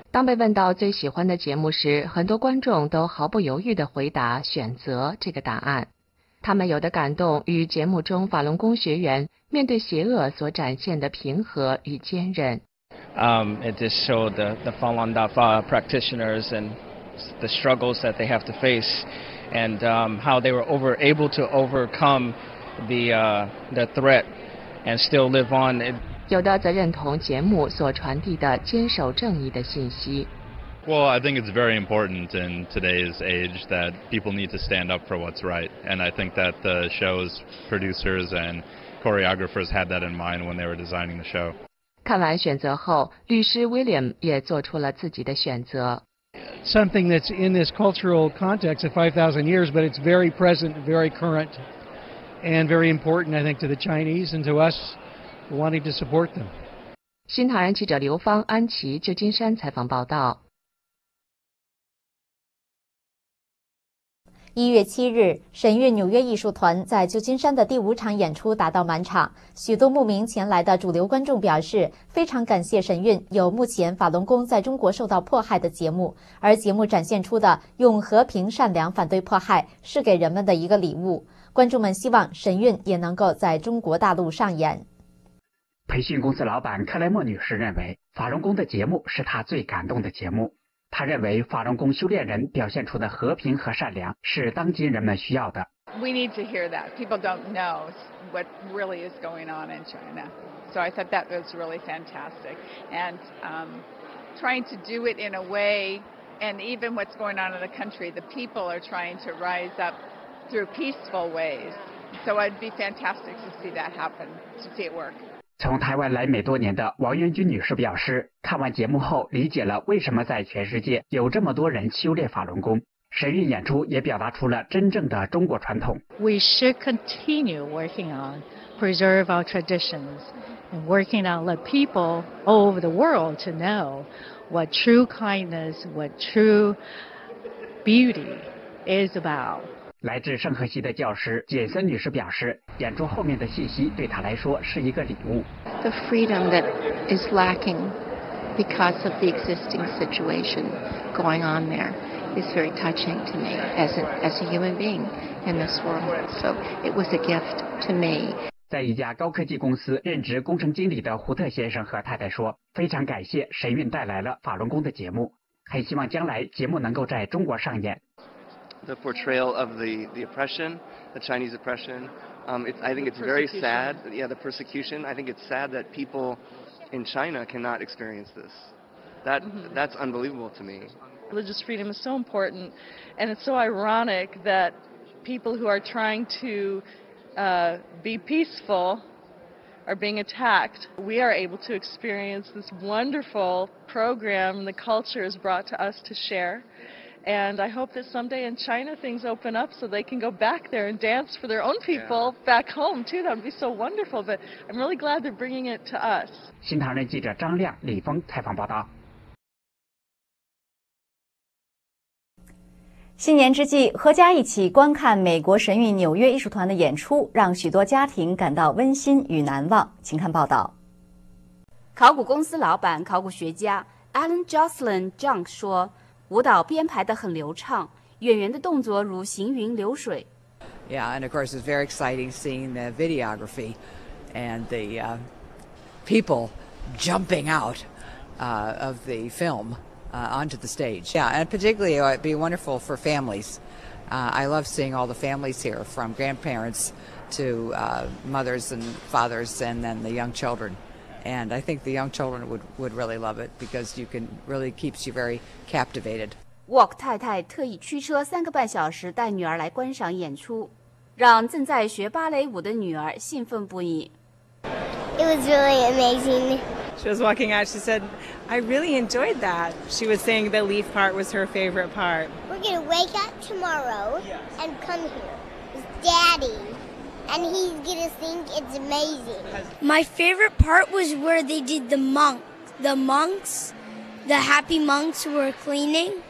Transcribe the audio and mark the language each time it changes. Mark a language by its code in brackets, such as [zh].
[zh] 当被问到最喜欢的节目时，很多观众都毫不犹豫地回答选择这个答案。他们有的感动与节目中法轮功学员面对邪恶所展现的平和与坚韧。 [en] It just showed the Falun Dafa practitioners and the struggles that they have to face, and how they were able to overcome the threat and still live on. [zh] 有的则认同节目所传递的坚守正义的信息。 [en] Well, I think it's very important in today's age that people need to stand up for what's right, and I think that the show's producers and choreographers had that in mind when they were designing the show. [zh] 看完选择后，律师 William 也做出了自己的选择。 [en] Something that's in this cultural context of 5,000 years, but it's very present, very current, and very important, I think, to the Chinese and to us wanting to support them. [zh] 新唐人记者刘芳、安琪，旧金山采访报道。 1月7日，神韵纽约艺术团在旧金山的第五场演出达到满场。许多慕名前来的主流观众表示，非常感谢神韵有目前法轮功在中国受到迫害的节目，而节目展现出的用和平善良反对迫害是给人们的一个礼物。观众们希望神韵也能够在中国大陆上演。培训公司老板克莱默女士认为，法轮功的节目是她最感动的节目。他认为法轮功修炼人表现出的和平和善良是当今人们需要的。 [en] We need to hear that. People don't know what really is going on in China. So I thought that was really fantastic. And trying to do it in a way, and even what's going on in the country, the people are trying to rise up through peaceful ways. So it'd be fantastic to see that happen, to see it work. [zh] 从台湾来美多年的王元君女士表示，看完节目后理解了为什么在全世界有这么多人修炼法轮功。神韵演出也表达出了真正的中国传统。 [en] We should continue working on preserve our traditions and working on let people all over the world to know what true kindness, what true beauty is about. [zh] 来自圣何西的教师简森女士表示，演出后面的信息对她来说是一个礼物。 [en] The freedom that is lacking because of the existing situation going on there is very touching to me as a human being in this world. So it was a gift to me. [zh] 在一家高科技公司任职工程经理的胡特先生和太太说，非常感谢神韵带来了法轮功的节目，很希望将来节目能够在中国上演。 [en] The portrayal of the oppression, the Chinese oppression. I think it's very sad. Yeah, the persecution. I think it's sad that people in China cannot experience this. That's unbelievable to me. Religious freedom is so important, and it's so ironic that people who are trying to be peaceful are being attacked. We are able to experience this wonderful program the culture has brought to us to share. And I hope that someday in China things open up so they can go back there and dance for their own people back home too. That would be so wonderful. But I'm really glad they're bringing it to us. 新唐人记者张亮、李峰采访报道。新年之际，阖家一起观看美国神韵纽约艺术团的演出，让许多家庭感到温馨与难忘。请看报道。 [zh] 考古公司老板、考古学家 Alan Jocelyn Junk 说，舞蹈编排得很流畅，演员的动作如行云流水。 [en] Yeah, and of course it's very exciting seeing the videography and the people jumping out of the film onto the stage. Yeah, and particularly it would be wonderful for families. I love seeing all the families here, from grandparents to mothers and fathers and then the young children. And I think the young children would really love it because you can really keeps you very captivated. [zh] Walk 太太特意驱车三个半小时带女儿来观赏演出，让正在学芭蕾舞的女儿兴奋不已。 [en] It was really amazing. She was walking out. She said, "I really enjoyed that." She was saying the leaf part was her favorite part. We're gonna wake up tomorrow and come here with Daddy, and he's gonna think it's amazing. My favorite part was where they did the monks, the happy monks were cleaning.